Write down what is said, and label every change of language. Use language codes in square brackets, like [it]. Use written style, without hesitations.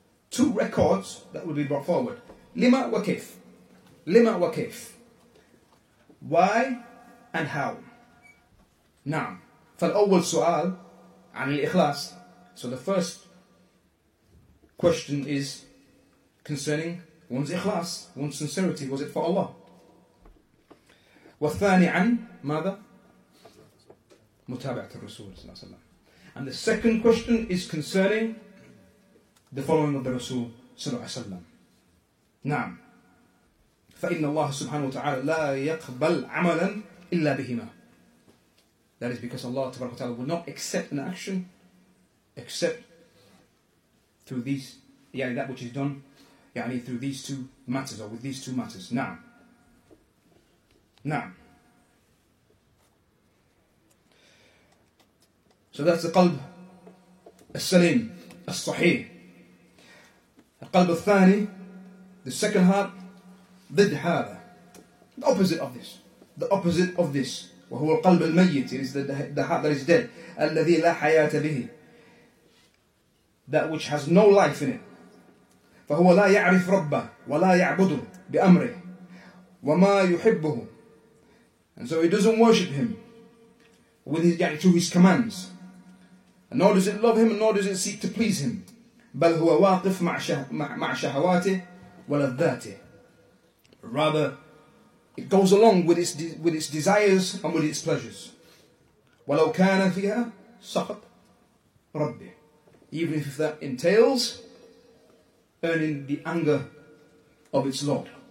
[en] Two records that will be brought forward. [ar] Lima wa kif. Lima wa kif. [en] Why and how? [ar] Naam. فالأول سؤال عن الإخلاص. [en] So the first question is concerning one's ikhlas, one's sincerity. Was it for Allah? [ar] والثاني عن ماذا؟ متابعة الرسول صلى الله عليه وسلم. [en] And the second question is concerning the following of the Rasul [ar] صلى الله عليه وسلم. نعم. فإن الله سبحانه وتعالى لا يقبل عملا إلا بهما. [en] That is because Allah [ar] تبارك وتعالى [en] will not accept an action except through these, [ar] يعني [en] that which is done, يعني through these two matters or with these two matters. [ar] نعم. نعم. [en] So that's the qalb as-salim, as-sahih. [ar] Al-qalb al-thani, [en] the second heart, [ar] ضد هذا. [en] The opposite of this. The opposite of this. [ar] وهو القلب الميت. [en] It is the heart that is dead. [ar] الذي لا حياة به. [en] That which has no life in it. [ar] فهو لا يعرف ربه ولا يعبده بأمره وما يحبه. [en] And so he doesn't worship him with his, [ar] يعني, [en] to his commands. And nor does it love him, and nor does it seek to please him. [ar] بل هو واقف مع شهواته ولذاته. [en] Rather, it goes along with its desires and with its pleasures. [ar] ولو كان فيها سخط ربي. [en] Even if that entails earning the anger of its Lord.